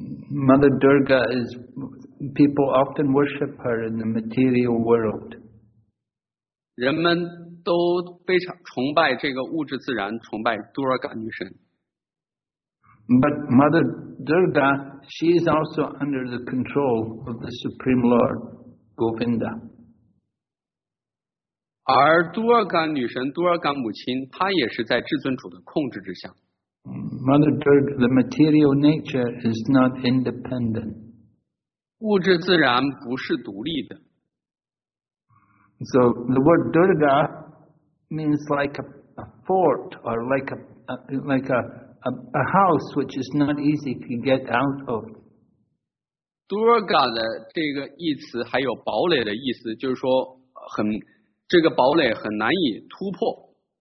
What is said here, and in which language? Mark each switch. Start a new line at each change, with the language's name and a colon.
English: Mother Durga is people often worship her in the material world.
Chinese: 人们都非常崇拜这个物质自然，崇拜 Durga 女神。
English: But Mother Durga, she is also under the control of the Supreme Lord, Govinda.
Chinese: 而杜尔嘎女神、杜尔嘎母亲，她也是在至尊主的控制之下。
English: Mother Durga, the material nature is not independent.
Chinese: 物质自然不是独立的。
English: So the word Durga means like a fort or like a house which is not easy to get out of.
Chinese: Durga 的这个意思还有堡垒的意思，就是说很这个堡垒很难以突破。